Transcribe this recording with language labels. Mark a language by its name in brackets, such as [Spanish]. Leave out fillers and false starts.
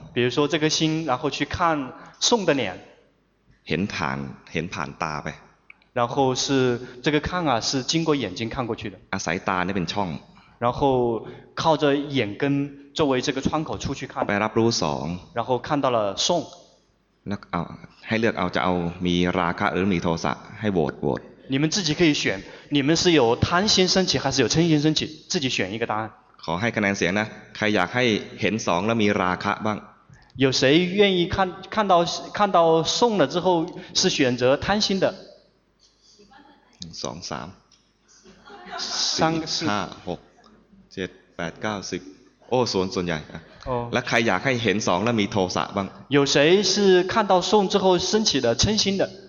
[Chinese] 比如说这个心然后去看宋的脸 [Thai] เห็นผ่านตาไป [Chinese] 然后是这个看啊是经过眼睛看过去的 [Thai] อาศัยตานี่เป็นช่อง [Chinese] 然后靠着眼根作为这个窗口出去看 [Thai] ไปรับรู้สอง [Chinese] 然后看到了宋 [Thai] แล้วเอาให้เลือกเอาจะเอามีราคะหรือมีโทสะให้โหวต [Chinese] 你们自己可以选你们是有贪心升起还是有嗔心升起自己选一个答案 [Thai] ขอให้คะแนนเสียงนะใครอยากให้เห็นสองแล้วมีราคะบ้าง [Chinese] 有谁愿意看到送了之后是选择贪心的 [Thai] สองสาม สามสี่ห้าหกเจ็ดแปดเก้าสิบโอ้ส่วนใหญ่และใครอยากให้เห็นสองแล้วมีโทสะบ้าง [Chinese] 有谁是看到送之后升起的嗔心的